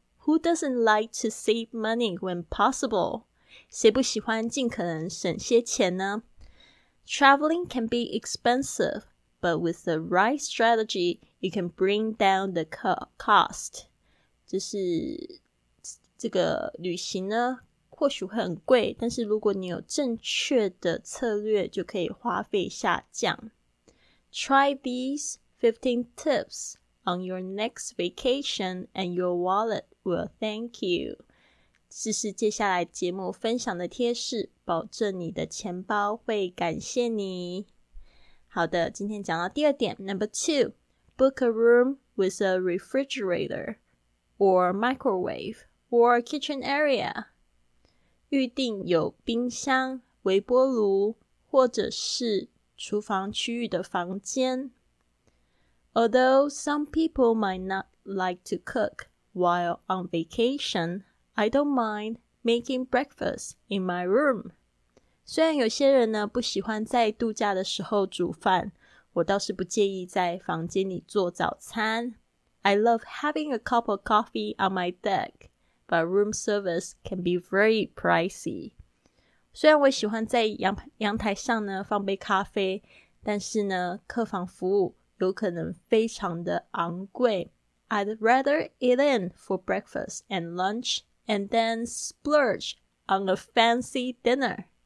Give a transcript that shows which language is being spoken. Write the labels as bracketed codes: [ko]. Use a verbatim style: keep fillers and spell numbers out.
[en] Who doesn't like to save money when possible？ [zh] 谁不喜欢尽可能省些钱呢？ [en] Traveling can be expensive，But with the right strategy, you can bring down the cost. [zh] 就是这个旅行呢，或许会很贵，但是如果你有正确的策略，就可以花费下降。 [en] Try these fifteen tips on your next vacation, and your wallet will thank you. [zh] 试试接下来节目分享的贴士，保证你的钱包会感谢你。好的，今天讲到第二点 [en] Number two, book a room with a refrigerator or microwave or kitchen area. [zh] 预定有冰箱、微波炉或者是厨房区域的房间。 [en] Although some people might not like to cook while on vacation, I don't mind making breakfast in my room. [zh] 虽然有些人呢不喜欢在度假的时候煮饭，我倒是不介意在房间里做早餐。 [en] I love having a cup of coffee on my deck, but room service can be very pricey. [zh] 虽然我喜欢在阳阳台上呢放杯咖啡，但是呢，客房服务有可能非常的昂贵。 [en] I'd rather eat in for breakfast and lunch and then splurge on a fancy dinner.